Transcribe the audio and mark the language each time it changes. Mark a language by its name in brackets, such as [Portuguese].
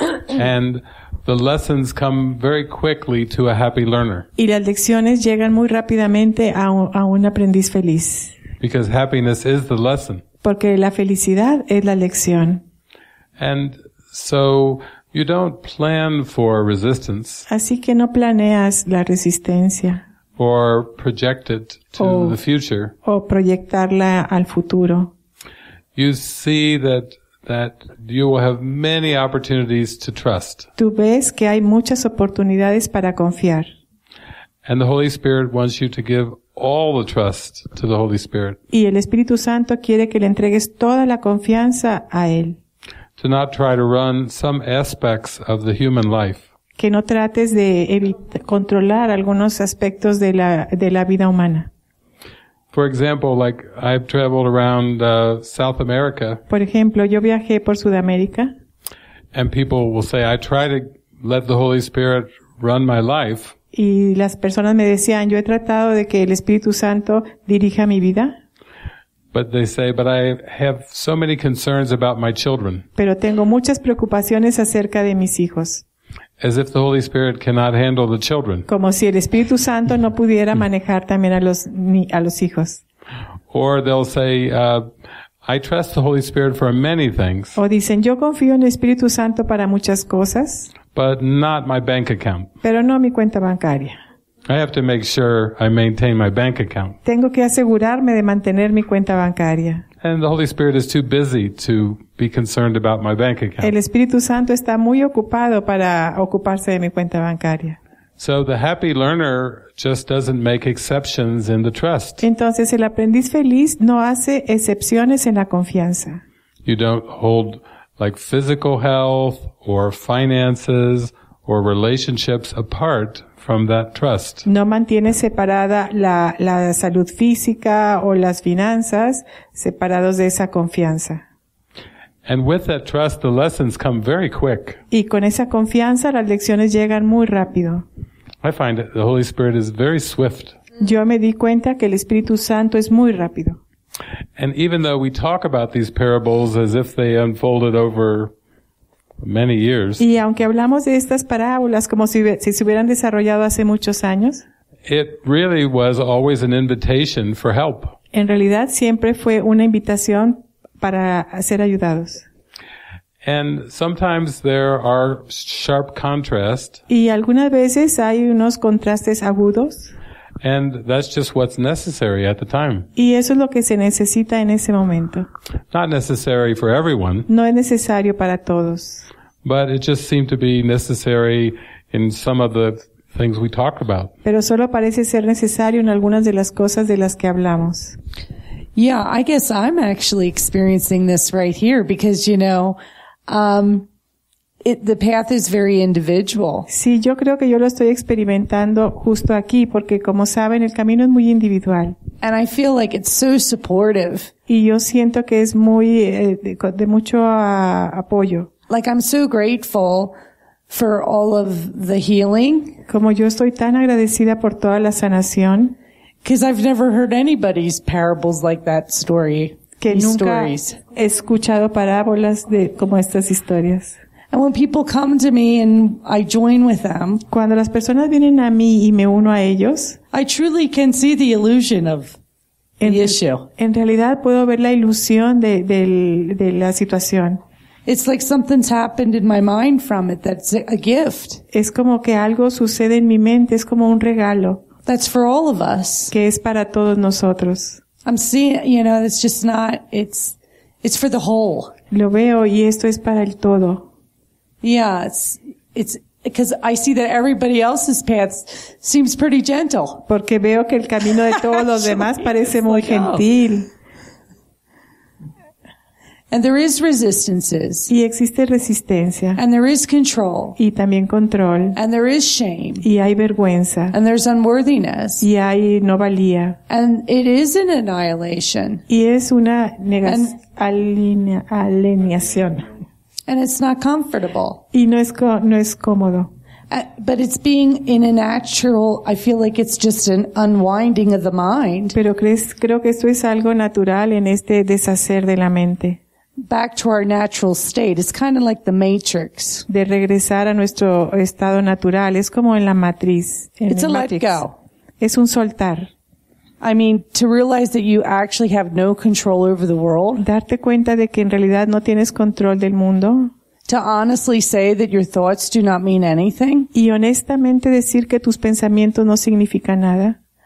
[English] And the lessons come very quickly to a happy learner. [Spanish] Y las lecciones llegan muy rápidamente a un aprendiz feliz. [English] Because happiness is the lesson. [Spanish] Porque la felicidad es la lección. [English] And so you don't plan for resistance. [Spanish] Así que no planeas la resistencia. [English] Or project it to the future. [Spanish] O proyectarla al futuro. [English] You see that you will have many opportunities to trust. [Spanish] Tú ves que hay muchas oportunidades para confiar. [English] And the Holy Spirit wants you to give all the trust to the Holy Spirit. [Spanish] Y el Espíritu Santo quiere que le entregues toda la confianza a él. [English] To not try to run some aspects of the human life. [Spanish] Que no trates de controlar algunos aspectos de la vida humana. [English] For example, like I've traveled around South America. [Spanish] Por ejemplo, yo viajé por Sudamérica. [English] And people will say, I try to let the Holy Spirit run my life. [Spanish] Y las personas me decían, yo he tratado de que el Espíritu Santo dirija mi vida. [English] But they say, but I have so many concerns about my children. [Spanish] Pero tengo muchas preocupaciones acerca de mis hijos. [English] As if the Holy Spirit cannot handle the children. [Spanish] Como si el Espíritu Santo no pudiera manejar también a los hijos. [English] Or they'll say, I trust the Holy Spirit for many things. [Spanish] O dicen, yo confío en el Espíritu Santo para muchas cosas. [English] But not my bank account. [Spanish] Pero no mi cuenta bancaria. [English] I have to make sure I maintain my bank account. [Spanish] Tengo que asegurarme de mantener mi cuenta bancaria. [English] And the Holy Spirit is too busy to be concerned about my bank account. [Spanish] El Espíritu Santo está muy ocupado para ocuparse de mi cuenta bancaria. [English] So the happy learner just doesn't make exceptions in the trust. [Spanish] Entonces el aprendiz feliz no hace excepciones en la confianza. [English] You don't hold like physical health or finances or relationships apart from that trust. [Spanish] No mantiene separada la salud física o las finanzas separados de esa confianza. [English] And with that trust, the lessons come very quick. [Spanish] Y con esa confianza, las lecciones llegan muy rápido. [English] I find that the Holy Spirit is very swift. [Spanish] Yo me di cuenta que el Espíritu Santo es muy rápido. [English] And even though we talk about these parables as if they unfolded over many years, [Spanish] y aunque hablamos de estas parábolas como si se hubieran desarrollado hace muchos años, [English] it really was always an invitation for help. [Spanish] En realidad siempre fue una invitación para ser ayudados. [English] And sometimes there are sharp contrasts. [Spanish] Y algunas veces hay unos contrastes agudos. [English] And that's just what's necessary at the time. [Spanish] Y eso es lo que se necesita en ese momento. [English] Not necessary for everyone. [Spanish] No es necesario para todos. [English] But it just seemed to be necessary in some of the things we talked about. [Spanish] Pero solo parece ser necesario en algunas de las cosas de las que hablamos. [English] Yeah, I guess I'm actually experiencing this right here because, you know, the path is very individual. [Spanish] Sí, yo creo que yo lo estoy experimentando justo aquí porque, como saben, el camino es muy individual. [English] And I feel like it's so supportive. [Spanish] Y yo siento que es muy de mucho apoyo. [English] Like I'm so grateful for all of the healing. [Spanish] Como yo estoy tan agradecida por toda la sanación. [English] Because I've never heard anybody's parables like that story. [Spanish] Que nunca he escuchado parábolas de como estas historias. [English] And when people come to me and I join with them, [Spanish] cuando las personas vienen a mí y me uno a ellos, [English] I truly can see the illusion of the issue. [Spanish] En realidad puedo ver la ilusión de la situación. [English] It's like something's happened in my mind from it. That's a gift. [Spanish] Es como que algo sucede en mi mente. Es como un regalo. [English] That's for all of us. [Spanish] Que es para todos nosotros. [English] I'm seeing, you know, it's just not, it's for the whole. [Spanish] Lo veo y esto es para el todo. [English] Yeah, it's, because I see that everybody else's path seems pretty gentle. [Spanish] Porque veo que el camino de todos los demás parece muy gentil. [English] And there is resistances. [Spanish] Y existe resistencia. [English] And there is control. [Spanish] Y también control. [English] And there is shame. [Spanish] Y hay vergüenza. [English] And there's unworthiness. [Spanish] Y hay no valía. [English] And it is an annihilation. [Spanish] Y es una alienación. [English] And it's not comfortable. [Spanish] Y no es cómodo. [English] But it's being in a natural, I feel like it's just an unwinding of the mind. [Spanish] Pero creo que esto es algo natural en este deshacer de la mente. [English] Back to our natural state. It's kind of like the Matrix. [Spanish] De regresar a nuestro estado natural. Es como en la matriz. [English] It's a let go. [Spanish] Es un soltar. [English] I mean, to realize that you actually have no control over the world. [Spanish] Darte cuenta de que en realidad no tienes control del mundo. [English] To honestly say that your thoughts do not mean anything. [Spanish] Y honestamente decir que tus pensamientos no significan nada.